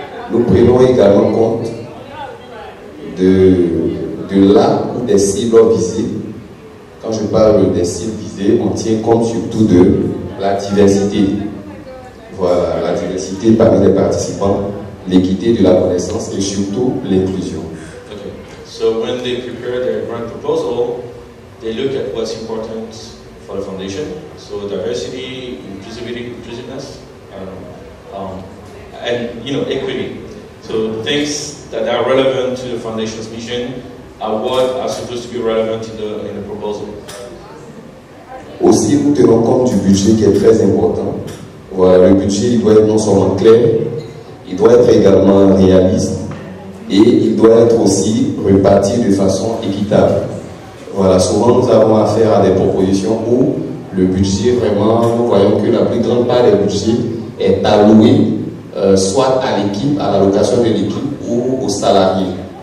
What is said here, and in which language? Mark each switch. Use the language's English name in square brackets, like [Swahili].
[French] Nous prenons également compte de là où des cibles visées. Quand je parle des cibles visées, on tient compte surtout de la diversité. Voilà, la diversité parmi les participants, l'équité de la connaissance et surtout l'inclusion. [English] So when they prepare their grant proposal, they look at what's important for the foundation. So diversity, inclusivity, inclusiveness, and you know, equity. So things that are relevant to the foundation's mission are what are supposed to be relevant in the proposal. [French] Aussi, nous tenons compte du budget qui est très important. Voilà, le budget doit être non seulement clair, il doit être également réaliste et il doit être aussi réparti de façon équitable. Voilà, souvent nous avons affaire à des propositions où le budget vraiment, nous voyons que la plus grande part des budgets est allouée soit à l'équipe, à l'allocation de l'équipe ou aux salariés.